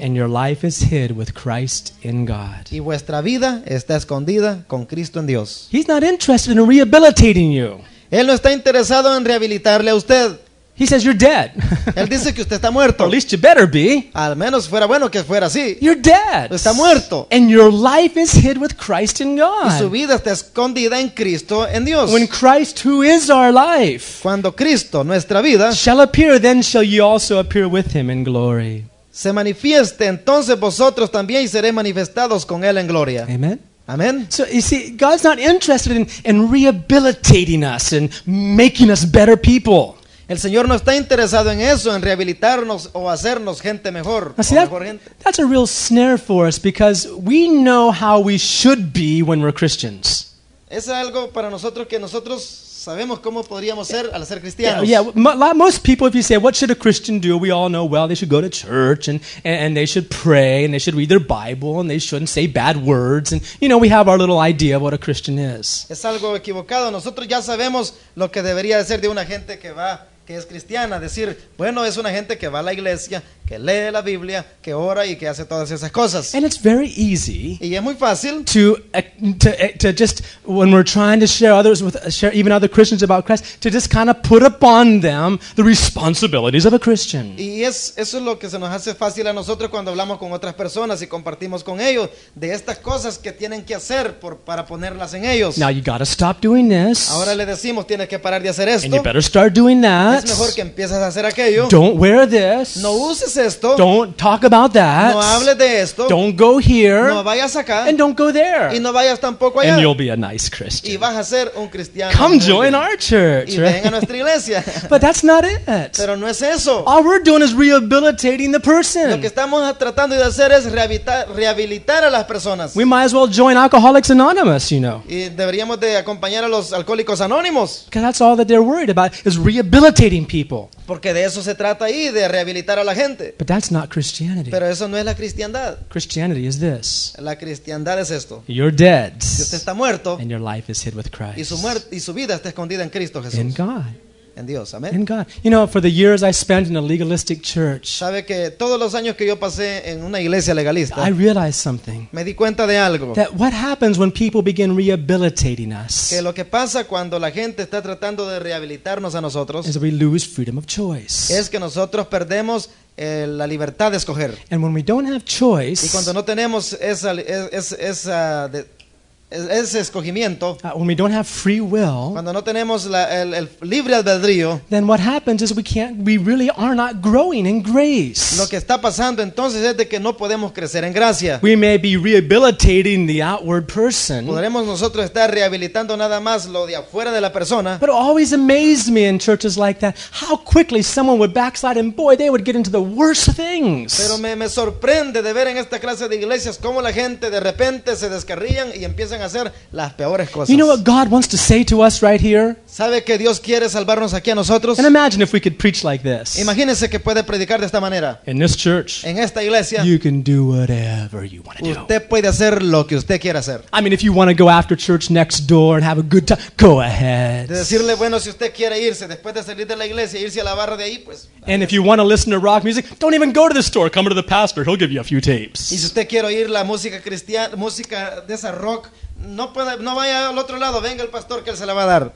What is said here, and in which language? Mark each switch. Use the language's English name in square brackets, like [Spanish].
[English] And your life is hid with Christ in God. [Spanish] Y vuestra vida está escondida con Cristo en Dios. [English] He's not interested in rehabilitating you. [Spanish] Él no está interesado en rehabilitarle a usted. [English] He says you're dead. [Spanish] Él dice que usted está muerto. [English] At least you better be. [Spanish] Al menos fuera bueno que fuera así. [English] You're dead. [Spanish] Está muerto. [English] And your life is hid with Christ in God. [Spanish] Y su vida está escondida en Cristo en Dios. [English] When Christ, who is our life, [Spanish] cuando Cristo, nuestra vida, [English] shall appear, then shall ye also appear with him in glory. [Spanish] Se manifieste entonces vosotros también y seréis manifestados con él en gloria. [English] Amen. [Spanish] Amen. [English] So you see, God's not interested in rehabilitating us and making us better people. [Spanish] El Señor no está interesado en eso, en rehabilitarnos o hacernos gente mejor. [English] Now, see, [Spanish] mejor gente. [English] That's a real snare for us because we know how we should be when we're Christians. [Spanish] Es algo para nosotros que nosotros sabemos cómo podríamos ser al ser cristianos. [English] Yeah, most people, if you say, what should a Christian do? We all know, well, they should go to church and they should pray and they should read their Bible and they shouldn't say bad words. And, you know, we have our little idea of what a Christian is. [Spanish] Es algo equivocado. Nosotros ya sabemos lo que debería de ser de una gente que va, que es cristiana. Decir, bueno, es una gente que va a la iglesia, que lee la Biblia, que ora y que hace todas esas cosas. [English] And it's very easy. [Spanish] Y es muy fácil. [English] To just, when we're trying to share others with, share even other Christians about Christ, to just kind of put upon them the responsibilities of a Christian. [Spanish] Y es, eso es lo que se nos hace fácil a nosotros cuando hablamos con otras personas y compartimos con ellos de estas cosas que tienen que hacer por, para ponerlas en ellos. [English] Now you gotta stop doing this. [Spanish] Ahora le decimos, tienes que parar de hacer esto. [English] And you better start doing that. [Spanish] Es mejor que empieces a hacer aquello. [English] Don't wear this. [Spanish] No uses. [English] Don't talk about that. [Spanish] No hables de esto. [English] Don't go here. [Spanish] No vayas acá. [English] And don't go there. [Spanish] Y no vayas tampoco allá. [English] And you'll be a nice Christian. [Spanish] Y vas a ser un cristiano. [English] Come join our church. [Spanish] Y ven a nuestra iglesia. [English] But that's not it. [Spanish] Pero no es eso. [English] All we're doing is rehabilitating the person. [Spanish] Lo que estamos tratando de hacer es rehabilitar a las personas. [English] We might as well join Alcoholics Anonymous, you know. [Spanish] Y deberíamos de acompañar a los Alcohólicos Anónimos. [English] Because that's all that they're worried about, is rehabilitating people. [Spanish] Porque de eso se trata ahí, de rehabilitar a la gente. [English] But that's not Christianity. [Spanish] Pero eso no es la cristiandad. [English] Christianity is this. [Spanish] La cristiandad es esto. [English] You're dead. [Spanish] Y usted está muerto. [English] And your life is hid with Christ. [Spanish] Y su vida está escondida en Cristo Jesús. [English] In God. [Spanish] En Dios. Amen. [English] In God. You know, for the years I spent in a legalistic church. [Spanish] Sabe que todos los años que yo pasé en una iglesia legalista. [English] I realized something. [Spanish] Me di cuenta de algo. [English] That what happens when people begin rehabilitating us. [Spanish] Que lo que pasa cuando la gente está tratando de rehabilitarnos a nosotros. [English] Is we lose freedom of choice. [Spanish] Es que nosotros perdemos la libertad de escoger. [English] And when we don't have choice. [Spanish] Y cuando no tenemos ese escogimiento, [English] when we don't have free will, [Spanish] cuando no tenemos el libre albedrío, [English] then what happens is we really are not growing in grace. [Spanish] Lo que está pasando entonces es de que no podemos crecer en gracia. [English] We may be rehabilitating the outward person. [Spanish] Podremos nosotros estar rehabilitando nada más lo de afuera de la persona. [English] But it always amazed me in churches like that how quickly someone would backslide and boy they would get into the worst things. [Spanish] Pero me sorprende de ver en esta clase de iglesias cómo la gente de repente se descarrían y empiezan empiezan a hacer las peores cosas. [English] You know what God wants to say to us right here? [Spanish] ¿Sabe que Dios quiere salvarnos aquí a nosotros? [English] And imagine if we could preach like this. [Spanish] Imagínense que puede predicar de esta manera. [English] In this church, [Spanish] en esta iglesia, [English] you can do whatever you want to do. [Spanish] Usted puede hacer lo que usted quiera hacer. [English] I mean, if you want to go after church next door and have a good time, go ahead. [Spanish] De decirle, bueno, si usted quiere irse después de salir de la iglesia, irse a la barra de ahí, pues. [English] And if you want to listen to rock music, don't even go to the store. Come to the pastor; he'll give you a few tapes. [Spanish] Y si usted quiere oír la música cristiana, música de esa rock, no puede, no vaya al otro lado. Venga el pastor que él se la va a dar.